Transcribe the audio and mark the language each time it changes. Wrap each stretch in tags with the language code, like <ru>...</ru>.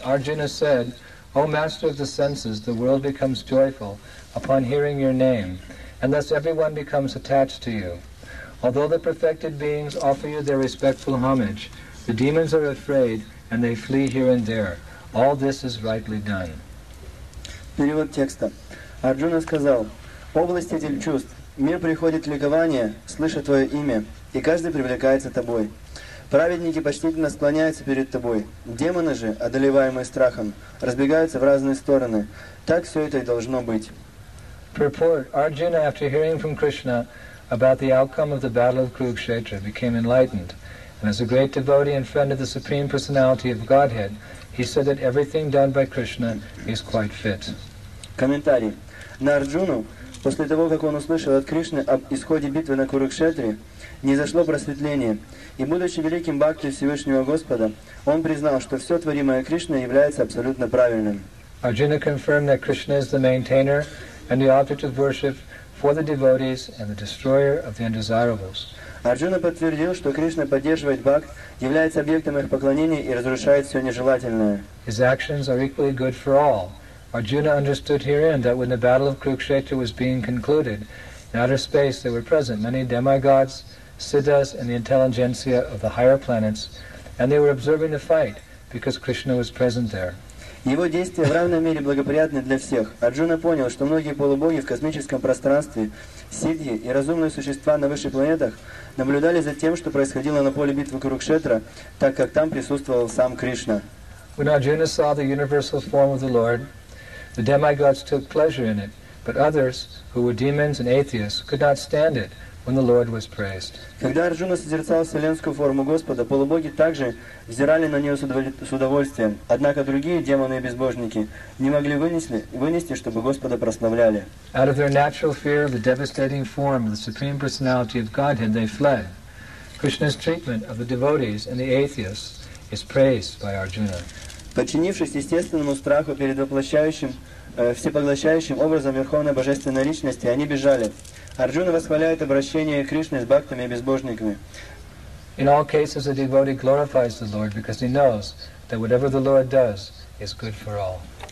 <en>Arjuna said, O Master of the senses, the world becomes joyful upon hearing your name, and thus everyone becomes attached to you. Although the perfected beings offer you their respectful homage, the demons are afraid and they flee here and there. All this is rightly done.</en> <ru>Перевод текста. Арджуна сказал, «Овластитель чувств, мир приходит в ликование, слыша твое имя, и каждый привлекается тобой. Праведники почтительно склоняются перед тобой. Демоны же, одолеваемые страхом, разбегаются в разные стороны. Так все это и должно быть».</ru> <en>Purport. Arjuna, after hearing from Krishna about the outcome of the battle of Kurukshetra, became enlightened. And as a great devotee and friend of the Supreme Personality of Godhead, he said that everything done by Krishna is quite fit.</en> <ru>Комментарий. На Арджуну, после того, как он услышал от Кришны об исходе битвы на Курукшетре, не зашло просветление, и, будучи великим бхактой Всевышнего Господа, он признал, что все творимое Кришной является абсолютно правильным.</ru> <en>Arjuna confirmed that Krishna is the maintainer and the object of worship for the devotees and the destroyer of the undesirables.</en> <ru>Арджуна подтвердил, что Кришна поддерживает бхакт, является объектом их поклонения и разрушает все нежелательное.</ru> <en>His actions are equally good for all. Arjuna understood herein that when the battle of Kurukshetra was being concluded, in outer space there were present many demigods, siddhas, and the intelligentsia of the higher planets, and they were observing the fight because Krishna was present there.</en> <ru>Его действия в равной мере благоприятны для всех. Арджуна понял, что многие полубоги в космическом пространстве, сиддхи и разумные существа на высших планетах наблюдали за тем, что происходило на поле битвы Курукшетра, так как там присутствовал сам Кришна.</ru> <en>When Arjuna saw the universal form of the Lord, the demigods took pleasure in it, but others, who were demons and atheists, could not stand it when the Lord was praised.</en> <ru>Когда Арджуна созерцал вселенскую форму Господа, полубоги также взирали на нее с удовольствием. Однако другие демоны и безбожники не могли вынести, чтобы Господа прославляли.</ru> <en>Out of their natural fear of the devastating form of the Supreme Personality of Godhead, they fled. Krishna's treatment of the devotees and the atheists is praised by Arjuna.</en> <ru>Подчинившись естественному страху перед воплощающим, всепоглощающим образом Верховной Божественной Личности, они бежали. Арджуна восхваляет обращение Кришны с бхактами и безбожниками.</ru> <en>In all cases, a devotee glorifies the Lord because he knows that whatever the Lord does is good for all.</en>